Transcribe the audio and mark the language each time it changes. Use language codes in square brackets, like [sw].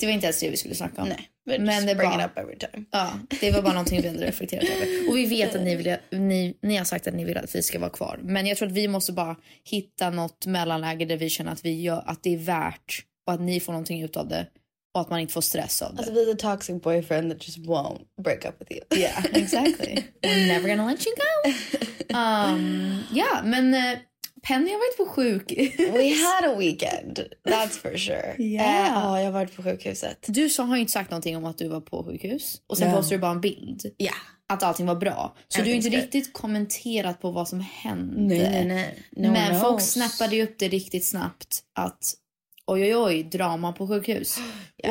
[sv] det var inte ens det vi skulle snacka om. [en] Nej, men det bring it up every time. [sv] Ja, det var bara någonting vi ändå reflekterat över. Och vi vet att ni har sagt att ni vill att vi ska vara kvar. Men jag tror att vi måste bara hitta något mellanläge där vi känner att vi gör att det är värt och att ni får någonting ut av det och att man inte får stress av det. [en] Alltså, the toxic boyfriend that just won't break up with you. Yeah, exactly. I'm never gonna let you go. Ja, men [sv] Penny har varit på sjukhus. [en] We had a weekend, that's for sure. Yeah. [sv] Ja, jag har varit på sjukhuset. Du har ju inte sagt någonting om att du var på sjukhus. Och sen postade du bara en bild. Ja. Att allting var bra. Så du har inte riktigt kommenterat på vad som hände. Nej. Men folk snappade ju upp det riktigt snabbt att oj, drama på sjukhus. Yeah.